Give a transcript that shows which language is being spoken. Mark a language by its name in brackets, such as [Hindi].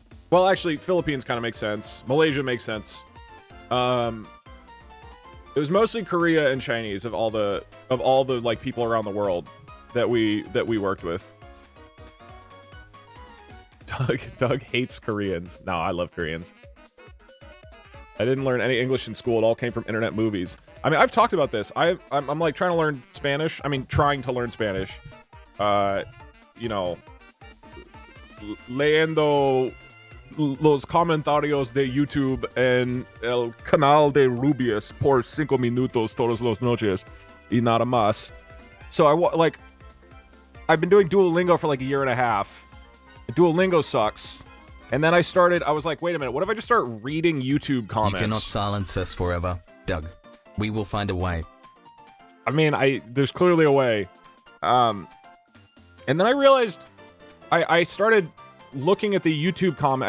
[English] Well, actually, Philippines kind of makes sense. Malaysia makes sense. It was mostly Korea and Chinese of all the like people around the world that we worked with. Doug hates Koreans. No, I love Koreans. I didn't learn any English in school. It all came from internet movies. I mean, I've talked about this. I'm like trying to learn Spanish. I mean, trying to learn Spanish. [Spanish] You know, leyendo los comentarios de YouTube en el canal de Rubius por cinco minutos todos los noches y nada más. [English] So I've been doing Duolingo for like a year and a half. Duolingo sucks. And then I was like, wait a minute, what if I just start reading YouTube comments? You cannot silence us forever, Doug. We will find a way. I mean, there's clearly a way. And then I realized I started looking at the YouTube comment.